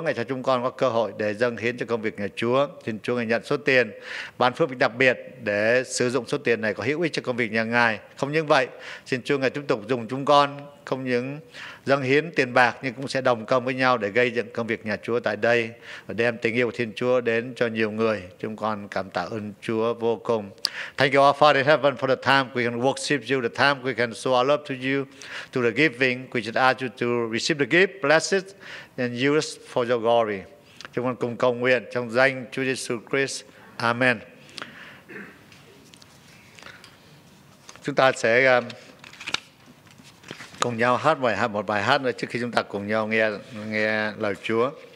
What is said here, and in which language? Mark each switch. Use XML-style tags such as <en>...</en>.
<vi>Ngài cho chúng con có cơ hội để dâng hiến cho công việc nhà Chúa. Xin Chúa Ngài nhận số tiền ban phước đặc biệt để sử dụng số tiền này có hữu ích cho công việc nhà Ngài. Không những vậy, xin Chúa Ngài tiếp tục dùng chúng con không những dâng hiến tiền bạc nhưng cũng sẽ đồng công với nhau để gây dựng công việc nhà Chúa tại đây và đem tình yêu của Thiên Chúa đến cho nhiều người. Chúng con cảm tạ ơn Chúa vô cùng.</vi> <en>Thank you, our Father in heaven, for the time we can worship you, the time we can show our love to you, to the giving. We just ask you to receive the gift, bless it, and use for your glory.</en> <vi>Chúng con cùng cầu nguyện trong danh Chúa Jesus Christ. Amen. Chúng ta sẽ cùng nhau hát một bài hát nữa trước khi chúng ta cùng nhau nghe lời Chúa.</vi>